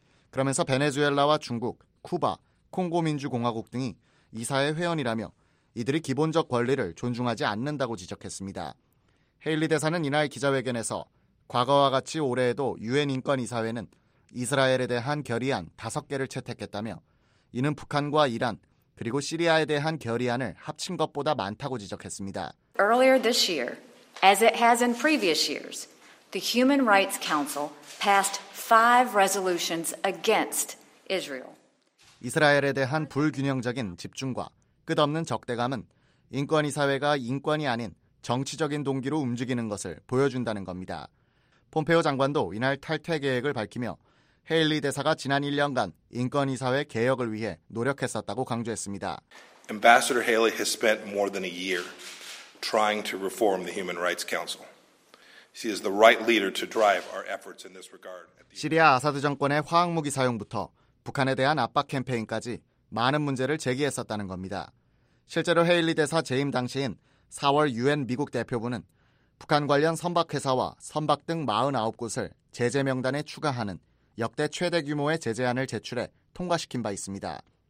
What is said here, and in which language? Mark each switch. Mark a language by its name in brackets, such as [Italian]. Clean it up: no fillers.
[Korean] 그러면서 베네수엘라와 중국, 쿠바, 콩고민주공화국 등이 이사회 회원이라며 이들이 기본적 권리를 존중하지 않는다고 지적했습니다. 헤일리 대사는 이날 기자회견에서 과거와 같이 올해에도 유엔 인권이사회는 이스라엘에 대한 결의안 5개를 채택했다며 이는 북한과 이란 그리고 시리아에 대한 결의안을 합친 것보다 많다고 지적했습니다. [English] Earlier this year, as it has in previous years, the Human Rights Council passed 5 resolutions against Israel. [Korean] 이스라엘에 대한 불균형적인 집중과 끝없는 적대감은 인권이사회가 인권이 아닌 정치적인 동기로 움직이는 것을 보여준다는 겁니다. 폼페오 장관도 이날 탈퇴 계획을 밝히며 헤일리 대사가 지난 1년간 인권이사회 개혁을 위해 노력했었다고 강조했습니다. [English] Ambassador Haley has spent more than a year trying to reform the Human Rights Council. She is the right leader to drive our efforts in this regard. [Korean] 시리아 아사드 정권의 화학무기 사용부터 북한에 대한 압박 캠페인까지 많은 문제를 제기했었다는 겁니다. 실제로 헤일리 대사 재임 당시인 4월 유엔 미국 대표부는 북한 관련 선박회사와 선박 등 49곳을 제재 명단에 추가하는 역대 최대 규모의 제재안을 제출해 통과시킨 바 있습니다.